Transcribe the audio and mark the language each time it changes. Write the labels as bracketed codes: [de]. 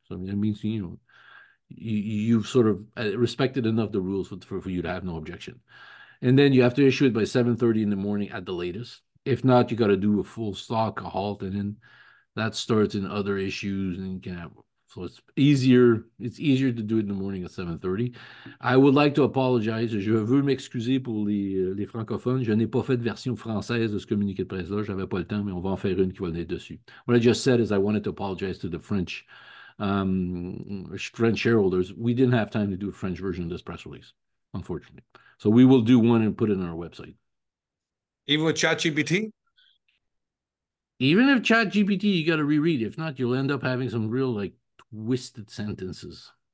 [en] So I mean, it means, you know, you've sort of respected enough the rules for you to have no objection. And then you have to issue it by 7:30 in the morning at the latest. If not, you got to do a full stock, a halt, and then that starts in other issues and you can have. So it's easier to do it in the morning at 7:30. I would like to apologize. [fr] Je veux m'excuser pour les francophones. Je n'ai pas fait de version française de ce communiqué de presse-là. J'avais pas le temps, mais on va en faire une qui va venir dessus. [en] What I just said is I wanted to apologize to the French shareholders. We didn't have time to do a French version of this press release, unfortunately. So we will do one and put it on our website. Even with ChatGPT? Even if ChatGPT, you got to reread. If not, you'll end up having some real, like, twisted sentences.